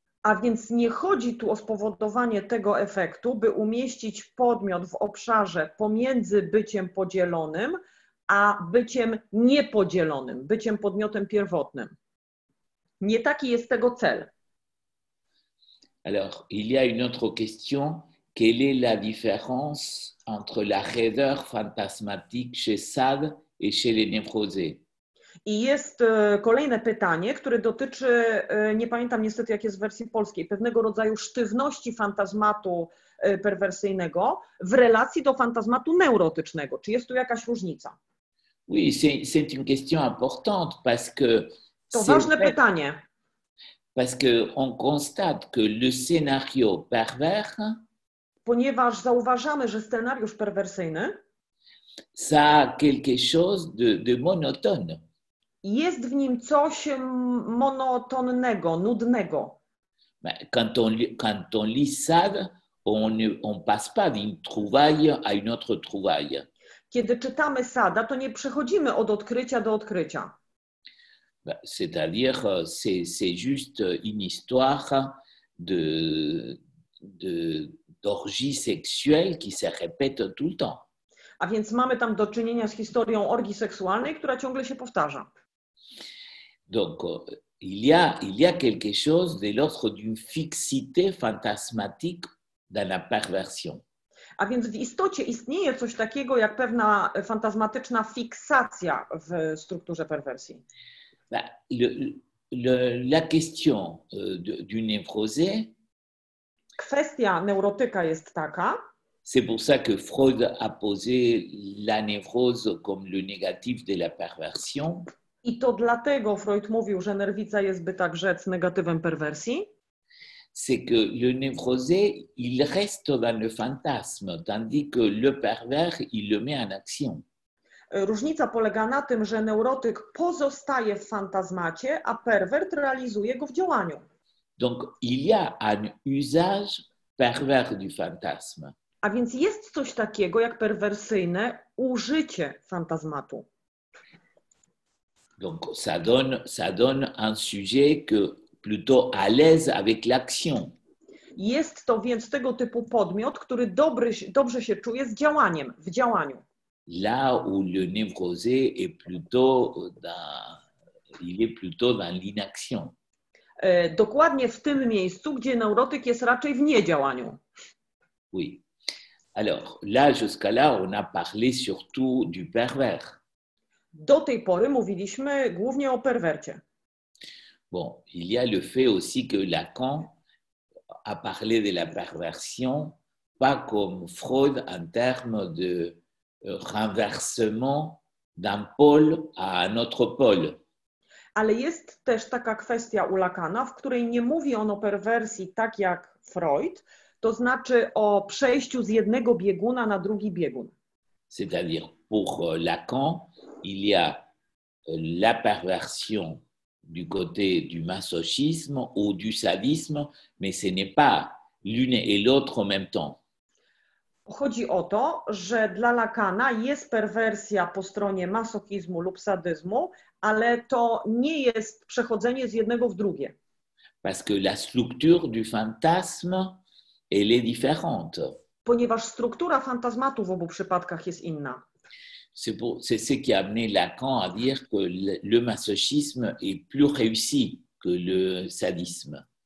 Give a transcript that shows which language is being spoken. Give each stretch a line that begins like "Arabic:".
Polish: A więc nie chodzi tu o spowodowanie tego efektu, by umieścić podmiot w obszarze pomiędzy byciem podzielonym a byciem niepodzielonym, byciem podmiotem pierwotnym. Nie taki jest tego cel.
French: Alors, il y a une autre question. Quelle est la différence entre la rêveur fantasmatique chez Sade et chez les névrosés?
Polish: I jest kolejne pytanie, które dotyczy, nie pamiętam niestety, jak jest w wersji polskiej, pewnego rodzaju sztywności fantazmatu perwersyjnego w relacji do fantazmatu neurotycznego. Czy jest tu jakaś różnica?
French: Oui, c'est une question importante parce que...
Polish: To ważne pytanie.
French: Parce que on constate que le scénario pervers...
Polish: Ponieważ zauważamy, że scenariusz perwersyjny...
French: ça a quelque chose de monotone.
Polish: Jest w nim coś monotonnego, nudnego.
French: Quand on lit ça, on passe pas d'une trouvaille à une autre trouvaille.
Polish: Kiedy czytamy Sada, to nie przechodzimy od odkrycia do odkrycia.
French: C'est-à-dire, c'est juste une histoire d'orgie sexuelle qui se répète tout le temps.
Polish: A więc mamy tam do czynienia z historią orgii seksualnej, która ciągle się powtarza.
French: Donc, il y a quelque chose de l'ordre d'une fixité fantasmatique dans la perversion.
Polish: A więc w istocie istnieje coś takiego jak pewna fantasmatyczna fiksacja w strukturze perwersji.
French: La question du névrosé.
Polish: Kwestia neurotyka jest taka.
French: C'est pour ça que Freud a posé la névrose comme le négatif de la perversion.
Polish: I to dlatego Freud mówił, że nerwica jest, by tak rzec, negatywem perwersji.
French: C'est que le névrosé, il reste dans le fantasme, tandis que le pervers, il le met en action.
Polish: Różnica polega na tym, że neurotyk pozostaje w fantazmacie, a pervert realizuje go w działaniu.
French: Donc, il y a un usage pervers du fantasme.
Polish: A więc jest coś takiego jak perwersyjne użycie fantazmatu.
French: Donc ça donne un sujet que plutôt à l'aise avec l'action.
Polish: Jest to więc tego typu podmiot, który dobrze się czuje z działaniem, w działaniu.
French: Là où le névrosé est plutôt dans l'inaction.
Polish: Dokładnie w tym miejscu, gdzie neurotyk jest raczej w niedziałaniu.
French: Oui. Alors là jusqu'à là on a parlé surtout du pervers.
Polish: Do tej pory mówiliśmy głównie o perwercie.
French: Bon, il y a le fait aussi que Lacan a parlé de la perversion pas comme Freud en termes de renversement d'un pôle à un autre pôle.
Polish: Ale jest też taka kwestia u Lacana, w której nie mówi on o perwersji tak jak Freud, to znaczy o przejściu z jednego bieguna na drugi biegun.
French: C'est-à-dire pour Lacan, il y a la perversion du côté du masochisme ou du sadisme, mais ce n'est pas l'une et l'autre en même temps.
Polish: Chodzi o to, że dla Lacana jest perwersja po stronie masochizmu lub sadyzmu, ale to nie jest przechodzenie z jednego w drugie.
French: Parce que la structure du fantasme, elle est différente.
Polish: Ponieważ struktura fantazmatu w obu przypadkach jest inna.
French: C'est ce qui a amené Lacan à dire que le masochisme est plus réussi que le sadisme.